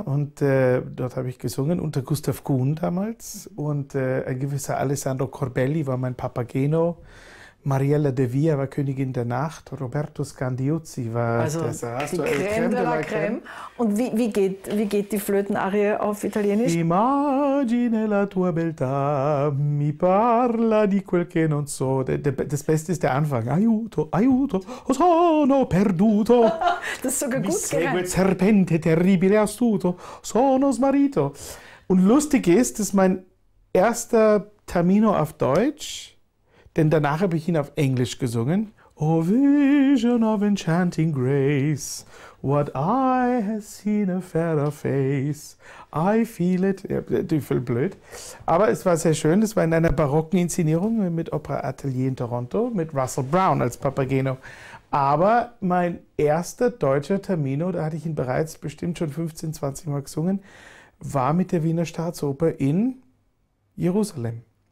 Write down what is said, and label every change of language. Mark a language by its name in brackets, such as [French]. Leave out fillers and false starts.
[German] Und dort habe ich gesungen unter Gustav Kuhn damals. Und ein gewisser Alessandro Corbelli war mein Papageno. Mariella de Via war Königin der Nacht, Roberto Scandiuzzi war Creme de la Creme. Und wie geht die Flötenarie auf Italienisch? [Italian] Immagine la tua beltà, mi parla di quel che non so. [German] Das Beste ist der Anfang. [Italian] Aiuto, aiuto, sono perduto. [German] Das ist sogar gut gereimt. [Italian] Mi segue serpente terribile astuto, sono smarrito. [German] Und lustig ist, dass mein erster Tamino auf Deutsch, denn danach habe ich ihn auf Englisch gesungen. [English] Oh, vision of enchanting grace, what eye has seen a fairer face, I feel it. [German] Ja, voll blöd. Aber es war sehr schön, es war in einer barocken Inszenierung mit Opera Atelier in Toronto, mit Russell Brown als Papageno. Aber mein erster deutscher Tamino, da hatte ich ihn bereits bestimmt schon 15, 20 Mal gesungen, war mit der Wiener Staatsoper in Jerusalem.